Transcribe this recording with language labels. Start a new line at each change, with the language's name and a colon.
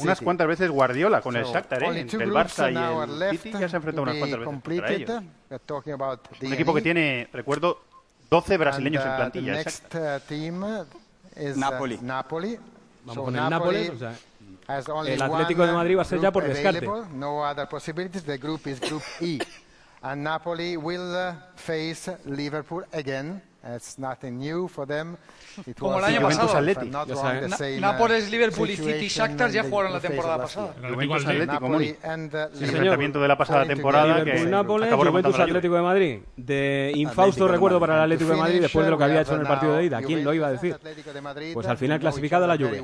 Spanish: Unas cuantas veces Guardiola con el Shakhtar, ¿eh? Entre el Barça y el City ya se ha enfrentado unas cuantas veces contra ellos. Un equipo que tiene, recuerdo, 12 brasileños en plantilla.
English: The next team is Napoli. Napoli.
Spanish: Vamos con el Napoli, o sea... El Atlético de Madrid va a ser ya por descarte.
English: No other possibilities. The group is Group E, and Napoli will face Liverpool again. It's nothing new for them. It was
Spanish: como el año pasado. Juventus Atleti. Nápoles, Liverpool y City, Shakhtar ya jugaron la temporada pasada. Juventus Atlético, Moni. El enfrentamiento de la pasada temporada. Liverpool-Nápoles, Juventus Atlético de Madrid. De infausto recuerdo para el Atlético de Madrid después de lo que había hecho en el partido de ida. ¿Quién lo iba a decir? Pues al final clasificado a la Juve.